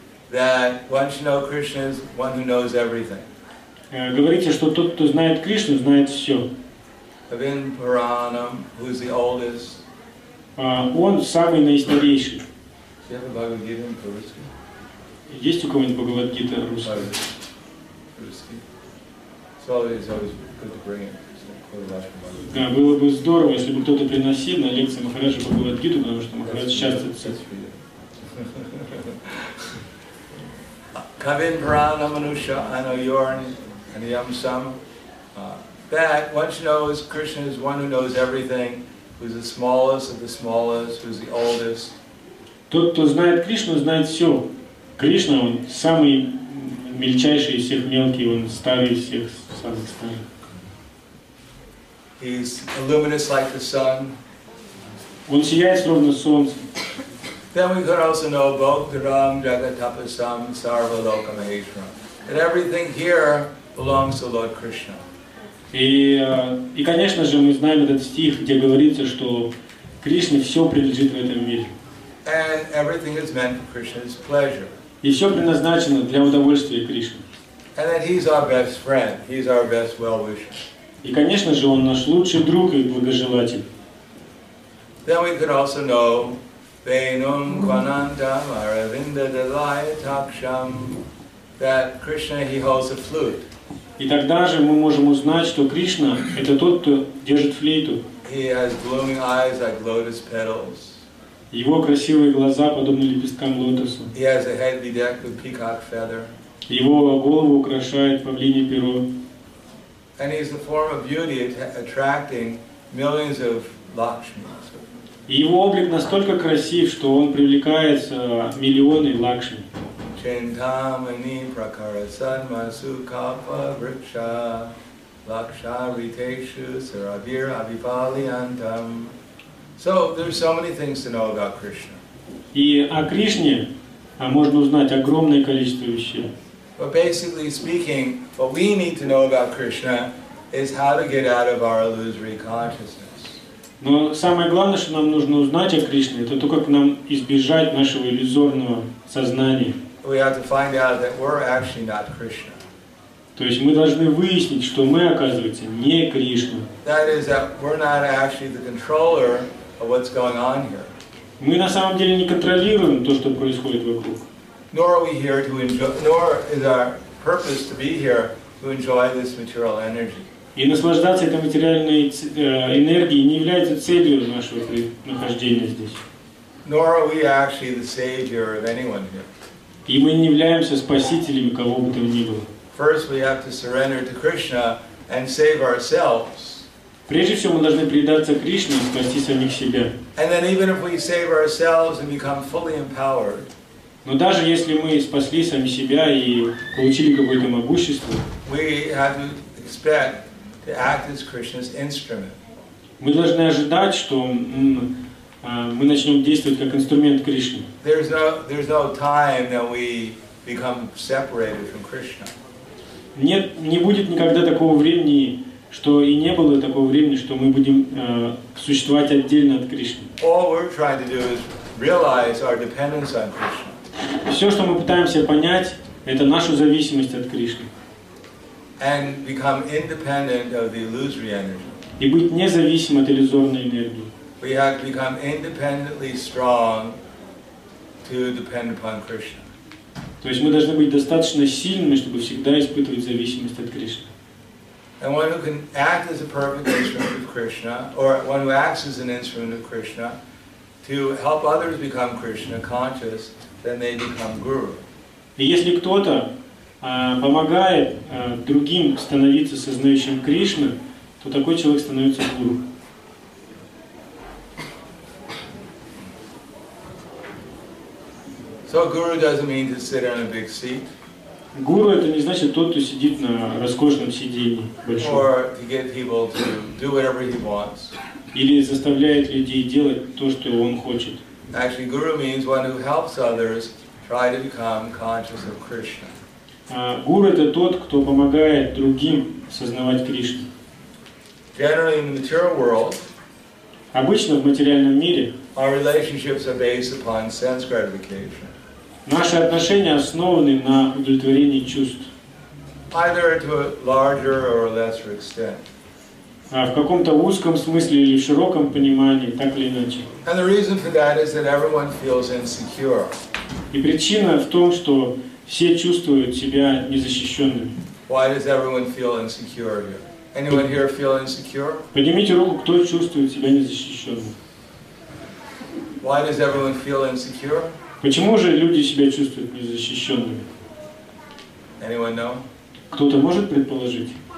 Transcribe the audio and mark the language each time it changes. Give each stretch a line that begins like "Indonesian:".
English: That one should know Krishna is one who knows everything.
Russian: Говорите, что тот, кто знает Кришну, знает все.
Sanskrit: Kavim Puranam,
English: who is the oldest?
Russian: Он самый наистарейший.
English: Do you have a Bhagavad Gita in Russian?
Russian: Есть у кого-нибудь Bhagavad Gita в русском?
English: It's always good to bring it.
Russian: Да, было бы здорово, если бы кто-то приносил на лекции Махараджа Bhagavad Gita, потому что Махарадж часто цитирует.
Sanskrit: Kavim Puranam Anusha Anayorni Aniyam Sam.
English: That one should know is Krishna is one who knows everything, who's the smallest of the smallest, who's the oldest.
Russian: Тот, кто знает Кришну, знает все. Кришна, он самый мельчайший из всех мелких, он старый из всех самых старых.
English: He's luminous like the sun.
Russian: Он сияет ровно солнце.
English: Then we could also know
Sanskrit: Bhogdaram Jagatapasam Sarva Lokamahishram.
English: That everything here belongs to Lord Krishna.
Russian: И конечно же, мы знаем этот стих, где говорится, что Кришне все принадлежит в этом мире.
English: And everything is meant for Krishna's pleasure.
Russian: И все предназначено для удовольствия Кришны.
English: And that he's our best friend, he's our best well-wisher.
Russian: И, конечно же, он наш лучший друг и благожелатель.
English: Then we could also know
Sanskrit: Venum Kwanantam Aravinda Dalayataksham
English: that Krishna, he holds a flute.
Russian: И тогда же мы можем узнать, что Кришна — это тот, кто держит флейту.
English: He has gloomy eyes like lotus petals.
Russian: Его красивые глаза подобны лепесткам лотоса.
English: He has a head bedecked with peacock feather.
Russian: Его голову украшает павлинье перо.
English: And he is a form of beauty attracting millions of lakshmis.
Russian: И его облик настолько красив, что он привлекает миллионы лакшми.
Sanskrit: Chintamani prakara sadmasukapa vriksha laksha riteshu saravir avipaliantam.
English: So there's so many things to know about Krishna.
Russian: И о Кришне можно узнать огромное количество вещей.
English: But basically speaking, what we need to know about Krishna is how to get out of our illusory consciousness.
Russian: Но самое главное, что нам нужно узнать о Кришне, это то, как нам избежать нашего иллюзорного сознания.
English: We have to find out that we're actually not Krishna.
Russian: То есть мы должны выяснить, что мы, оказывается, не Кришна.
English: That is that we're not actually the controller of what's going on here.
Russian: Мы на самом деле не контролируем то, что происходит вокруг.
English: Nor are we here to enjoy, nor is our purpose to be here to enjoy this material energy.
Russian: И наслаждаться этой материальной энергией не является целью нашего нахождения здесь.
English: Nor are we actually the savior of anyone here.
Russian: И мы не являемся спасителями кого бы то ни было.
English: First we have to surrender to Krishna and save ourselves.
Russian: Прежде всего мы должны предаться Кришне и спасти самих себя.
English: And then even if we save ourselves and become fully empowered.
Russian: Но даже если мы спасли сами себя и получили какое-то могущество,
English: we have to expect to act as Krishna's instrument.
Russian: Мы должны ожидать, что мы начнем действовать как инструмент Кришны.
English: There's no time that we become separated from Krishna.
Russian: Нет, не будет никогда такого времени, что и не было такого времени, что мы будем существовать отдельно от Кришны.
English: All we're trying to do is realize our dependence on Krishna.
Russian: Все, что мы пытаемся понять, это нашу зависимость от Кришны.
English: And become independent of the illusory energy.
Russian: И быть независим от иллюзорной энергии.
English: We have to become independently strong to depend upon Krishna.
Russian: То есть мы должны быть достаточно сильными, чтобы всегда испытывать зависимость от Кришны.
English: And one who can act as a perfect instrument of Krishna, or one who acts as an instrument of Krishna, to help others become Krishna conscious, then they become guru.
Russian: И если кто-то помогает другим становиться сознающим Кришны, то такой человек становится гуру.
English: So guru doesn't mean to sit on a big seat.
Russian: Guru — это не значит тот, кто сидит на роскошном сиденье большом.
English: Or to get people to do whatever he wants.
Russian: Или заставляет людей делать то, что он хочет.
English: Actually, guru means one who helps others try to become conscious of Krishna.
Russian: Guru — это тот, кто помогает другим сознавать Кришну.
English: Generally, in the material world.
Russian: Обычно в материальном мире.
English: Our relationships are based upon sense gratification.
Russian: Наши отношения основаны на удовлетворении чувств.
English: Either to a larger or lesser extent.
Russian: В каком-то узком смысле или в широком понимании, так или иначе.
English: And the reason for that is that everyone feels insecure.
Russian: И причина в том, что все чувствуют себя незащищенными.
English: Why does everyone feel insecure here? Anyone here feel insecure?
Russian: Поднимите руку, кто чувствует себя незащищенным.
English: Why does everyone feel insecure?
Russian: Почему же люди себя чувствуют незащищенными?
English: Anyone know?
Russian: Кто-то может предположить?